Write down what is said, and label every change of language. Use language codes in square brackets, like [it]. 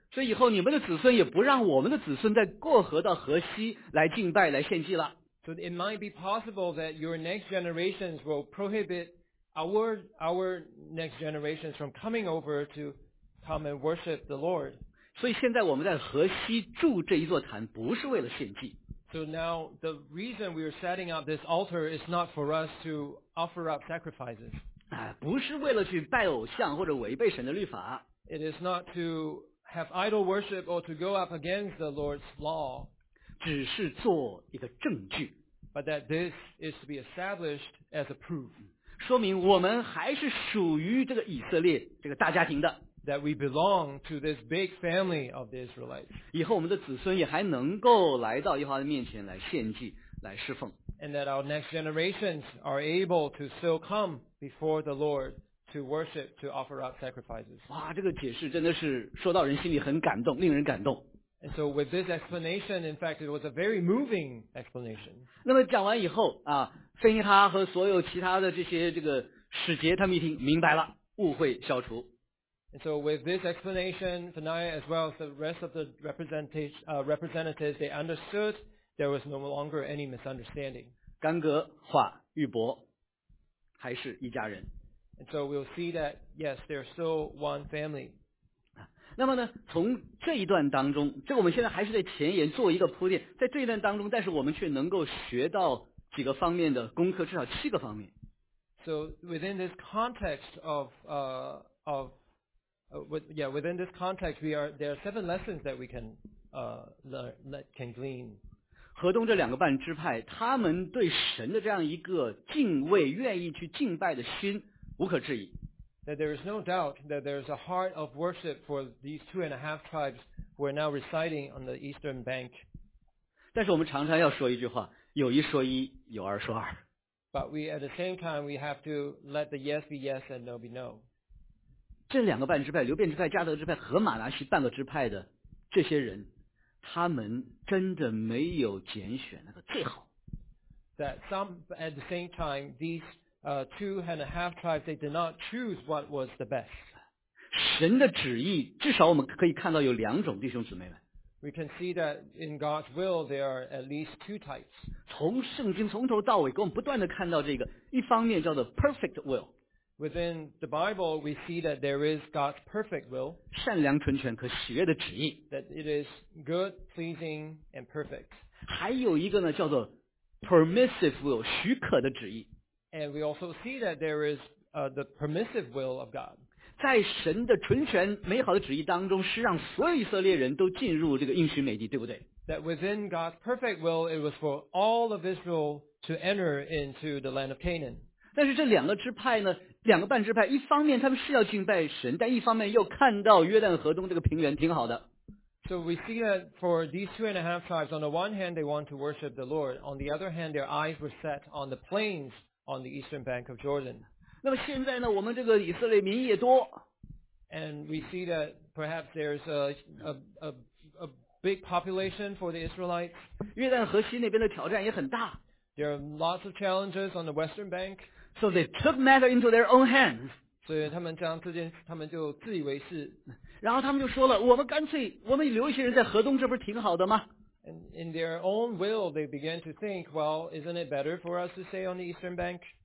[zh] 所以以后你们的子孙也不让我们的子孙再过河到河西来敬拜来献祭了。 [en] So it might be possible that your next generations will prohibit our next generations from coming over to come and worship the Lord. [zh] 所以现在我们在河西筑这一座坛不是为了献祭。 [en] So now the reason we are setting up this altar is not for us to offer up sacrifices. [zh] 不是为了去拜偶像或者违背神的律法。 [en] It is not to have idol worship or to go up against the Lord's law. [zh] 只是做一个证据。 [en] But that this is to be established as a proof. [zh] 说明我们还是属于这个以色列这个大家庭的。 [en] That we belong to this big family of the Israelites. [zh] 以后我们的子孙也还能够来到耶和华的面前来献祭来侍奉。 [en] And that our next generations are able to still come before the Lord to worship, to offer up sacrifices. [zh] 哇，这个解释真的是说到人心里很感动，令人感动。 [en] And so with this explanation, in fact, it was a very moving explanation. [zh] 那么讲完以后啊，芬尼哈和所有其他的这些这个使节他们一听明白了，误会消除。 [en] And so with this explanation, Phineas as well as the rest of the representatives, they understood there was no longer any misunderstanding. [zh] 干戈化玉帛，还是一家人。 [en] And so we'll see that, yes, they're still one family. [zh] 那么呢，从这一段当中，这个我们现在还是在前言做一个铺垫，在这一段当中，但是我们却能够学到几个方面的功课，至少七个方面。 [en] So within this context there are seven lessons that we can glean. [zh] 河东这两个半支派，他们对神的这样一个敬畏、愿意去敬拜的心，无可置疑。 [en] That there is no doubt that there is a heart of worship for these two and a half tribes who are now residing on the eastern bank. [zh] 但是我们常常要说一句话，有一说一，有二说二。 [en] But we at the same time we have to let the yes be yes and no be no. [zh] 这两个半支派，流便支派、加德支派和马拿西半个支派的这些人，他们真的没有拣选那个最好。 [en] That some at the same time these two and a half tribes they did not choose what was the best. [zh] 神的旨意，至少我们可以看到有两种弟兄姊妹们。 [en] We can see that in God's will there are at least two types. [zh] 从圣经从头到尾，给我们不断的看到这个，一方面叫做 [en] perfect will。 Within the Bible, we see that there is God's perfect will. [zh] 善良纯全可喜悦的旨意。 [en] That it is good, pleasing, and perfect. [zh] 还有一个呢，叫做 [en] permissive will， [zh] 许可的旨意。 [en] And we also see that there is the permissive will of God. [zh] 在神的纯全美好的旨意当中，是让所有以色列人都进入这个应许美地，对不对？ [en] That within God's perfect will, it was for all of Israel to enter into the land of Canaan. [zh] 但是这两个支派呢？两个半支派，一方面他们是要敬拜神，但一方面又看到约旦河东这个平原挺好的。 [en] So we see that for these two and a half tribes, on the one hand they want to worship the Lord, on the other hand their eyes were set on the plains on the eastern bank of Jordan. [zh] 那么现在呢，我们这个以色列民也多。 [en] And we see that perhaps there's a big population for the Israelites. [zh] 约旦河西那边的挑战也很大。 [en] There are lots of challenges on the western bank. So they took matter into their own hands. [zh] 所以他们将这件事他们就自以为是。然后他们就说了，我们干脆我们留一些人在河东，这不是挺好的吗？ [en] And in their own will, they began to think, well, isn't it better for us to stay on the eastern bank?